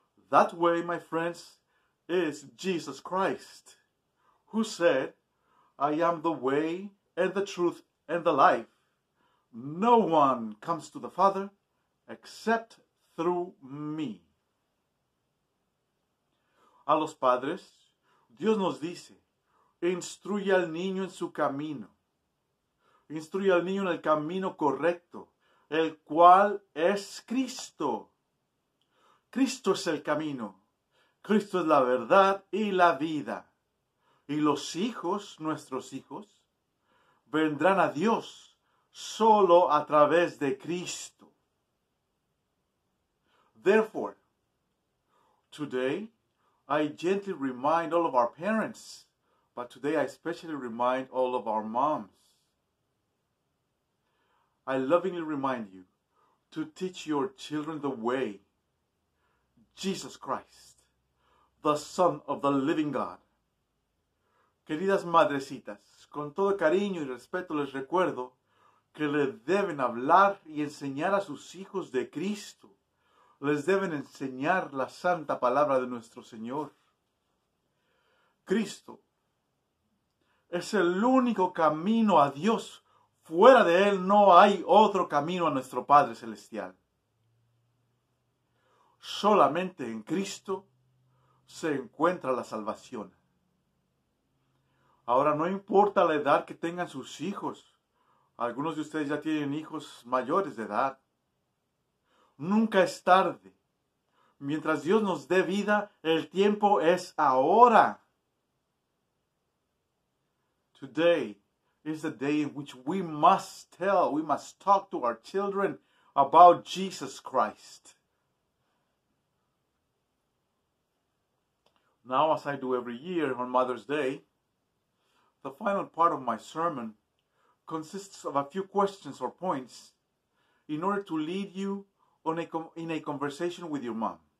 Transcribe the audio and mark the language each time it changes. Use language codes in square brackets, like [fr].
[en] That way, my friends, is Jesus Christ, who said, "I am the way and the truth and the life. No one comes to the Father except through me." [es] A los padres, Dios nos dice, instruye al niño en su camino. Instruye al niño en el camino correcto, el cual es Cristo. Cristo es el camino. Cristo es la verdad y la vida. Y los hijos, nuestros hijos, vendrán a Dios solo a través de Cristo. [en] Therefore, today, I gently remind all of our parents, but today I especially remind all of our moms. I lovingly remind you to teach your children the way, Jesus Christ, the Son of the Living God. [es] Queridas madrecitas, con todo cariño y respeto les recuerdo que le deben hablar y enseñar a sus hijos de Cristo. Les deben enseñar la santa palabra de nuestro Señor. Cristo es el único camino a Dios. Fuera de Él no hay otro camino a nuestro Padre Celestial. Solamente en Cristo se encuentra la salvación. Ahora, no importa la edad que tengan sus hijos, algunos de ustedes ya tienen hijos mayores de edad. Nunca es tarde. Mientras Dios nos dé vida, el tiempo es ahora. [en] Today is the day in which we must tell, we must talk to our children about Jesus Christ. Now, as I do every year on Mother's Day, the final part of my sermon consists of a few questions or points in order to lead you in a conversation with your mom.